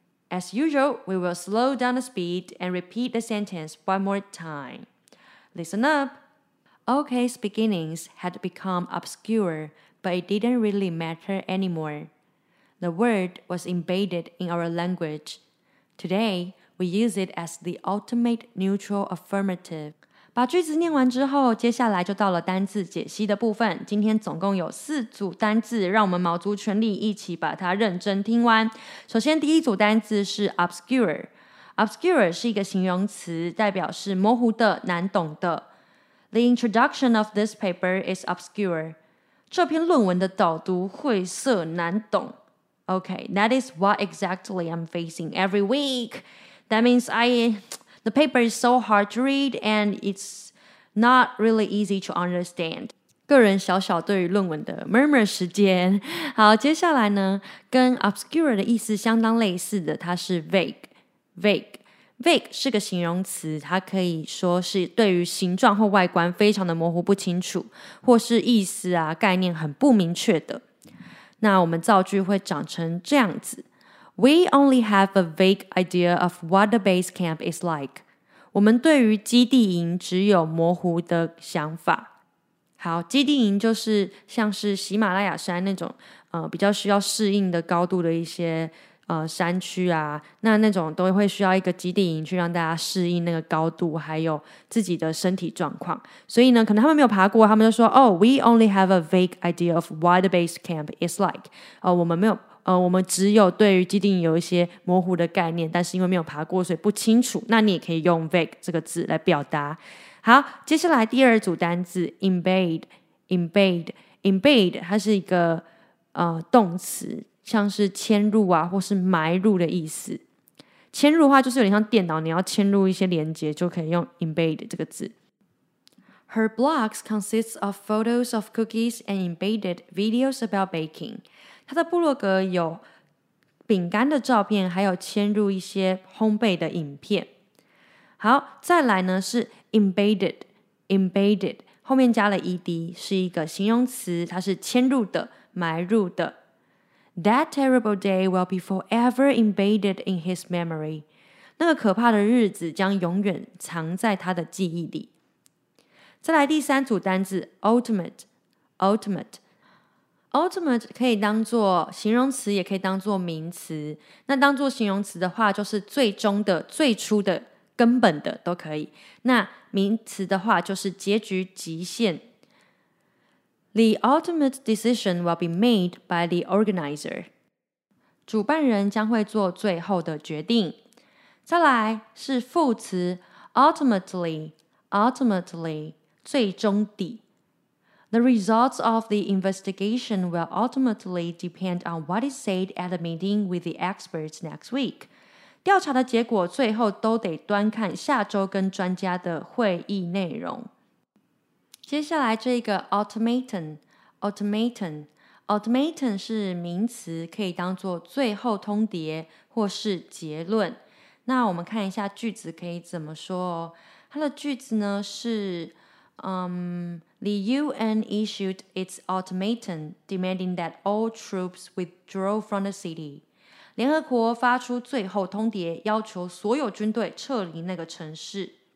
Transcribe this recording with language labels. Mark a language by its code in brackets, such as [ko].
[en] As usual, we will slow down the speed and repeat the sentence one more time. Listen up. OK's beginnings had become obscure, but it didn't really matter anymore. The word was embedded in our language. Today, we use it as the ultimate neutral affirmative. [zh] 把句子念完之后，接下来就到了单字解析的部分。今天总共有四组单字，让我们卯足全力一起把它认真听完。首先，第一组单字是 obscure。obscure 是一个形容词，代表是模糊的、难懂的。 [en] The introduction of this paper is obscure. [zh] 这篇论文的导读晦涩难懂。 [en] Okay, that is what exactly I'm facing every week. That means the paper is so hard to read and it's not really easy to understand. [zh] 个人小小对于论文的 murmur 时间。好，接下来呢，跟 obscure 的意思相当类似的，它是 vague。vague。 vague 是个形容词，它可以说是对于形状或外观非常的模糊不清楚，或是意思啊，概念很不明确的。那我们造句会长成这样子。 [en] We only have a vague idea of what the base camp is like. [zh] 我们对于基地营只有模糊的想法。好，基地营就是像是喜马拉雅山那种比较需要适应的高度的一些山区啊，那种都会需要一个基地营去让大家适应那个高度还有自己的身体状况。所以呢，可能他们没有爬过，他们就说， [en] Oh, we only have a vague idea of what the base camp is like. [zh] 我们没有我们只有对于基地营有一些模糊的概念，但是因为没有爬过，所以不清楚。那你也可以用 vague 这个字来表达。好，接下来第二组单字 embed 它是一个动词，像是嵌入啊，或是埋入的意思。嵌入的话就是有点像电脑，你要嵌入一些连接，就可以用 embed 这个字。 [en] Her blogs consists of photos of cookies and embedded videos about baking. [zh] 他的部落格有饼干的照片，还有嵌入一些烘焙的影片。好，再来呢是 embedded， 后面加了 ed， 是一个形容词，它是嵌入的、埋入的。 [en] That terrible day will be forever embedded in his memory. [zh] 那个可怕的日子将永远藏在他的记忆里。再来第三组单字 ultimate。 Ultimate 可以当作形容词，也可以当作名词。那当作形容词的话，就是最终的、最初的、根本的都可以。那名词的话，就是结局、极限。 [en] The ultimate decision will be made by the organizer. [zh] 主办人将会做最后的决定。再来是副词 ultimately， 最终的。 [en] The results of the investigation will ultimately depend on what is said at the meeting with the experts next week. [zh] 调查的结果最后都得端看下周跟专家的会议内容。接下来这个 automaton 是名词，可以当作最后通牒或是结论。那我们看一下句子可以怎么说哦。它的句子呢是 [en] The UN issued its ultimatum demanding that all troops withdraw from the city. [zh] 联合国发出最后通牒，要求所有军队撤离那个城市。